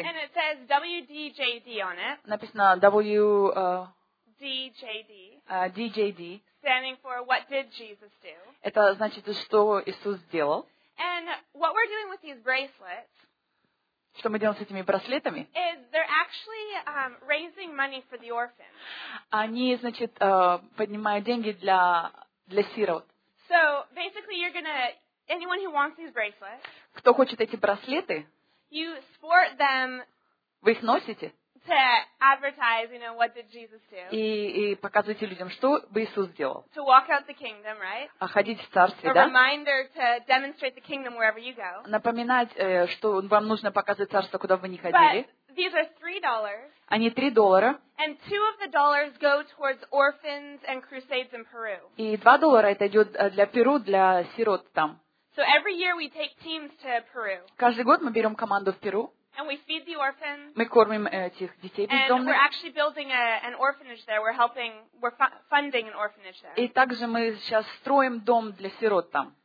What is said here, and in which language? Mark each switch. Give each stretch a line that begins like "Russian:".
English: And it says WDJD on it.
Russian: Написано
English: WDJD. DJD. Standing for What Did Jesus Do?
Russian: Это значит, что Иисус сделал.
English: And what we're doing with these bracelets?
Russian: Что мы делаем с этими браслетами?
English: Is they're actually raising money for the orphans.
Russian: Они, значит, поднимают деньги для сирот.
English: So basically, you're gonna anyone who wants these bracelets.
Russian: Кто хочет эти браслеты?
English: You sport them.
Russian: Вы их носите?
English: To advertise, you know, what did Jesus do?
Russian: И показывайте людям, что бы Иисус сделал.
English: To walk out the kingdom, right?
Russian: А ходить в царстве, да?
English: A reminder to demonstrate the kingdom wherever you go.
Russian: Напоминать, что вам нужно показывать царство, куда бы вы ни ходили.
English: But these are $3.
Russian: Они $3.
English: And two of the dollars go towards orphans and crusades in Peru.
Russian: И $2 это идет для Перу, для сирот там.
English: So every year we take teams to Peru.
Russian: Каждый год мы берем команду в Перу.
English: And we feed the orphans.
Russian: Мы кормим этих детей бездомных.
English: And we're actually building an orphanage there. We're helping, we're funding an orphanage there.
Russian: И также мы сейчас строим дом для сирот там.